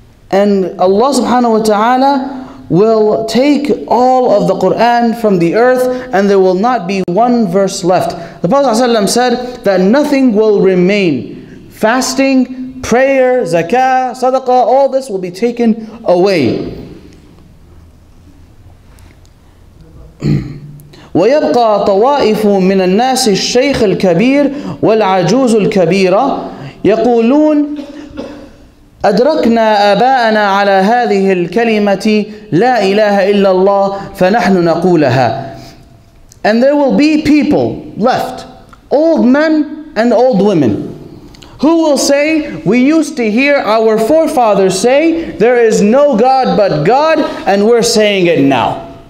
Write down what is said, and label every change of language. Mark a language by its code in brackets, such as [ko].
[en] And Allah subhanahu wa ta'ala will take all of the Qur'an from the earth and there will not be one verse left. The Prophet ﷺ said that nothing will remain. Fasting, prayer, zakah, sadaqah, all this will be taken away. [ar] وَيَبْقَى طَوَائِفُ مِنَ النَّاسِ الشَّيْخِ الْكَبِيرِ وَالْعَجُوزُ الْكَبِيرَةِ يَقُولُونَ أدركنا آباءنا على هذه الكلمة لا إله إلا الله فنحن نقولها. [en] And there will be people left, old men and old women, who will say, we used to hear our forefathers say, there is no God but God, and we're saying it now.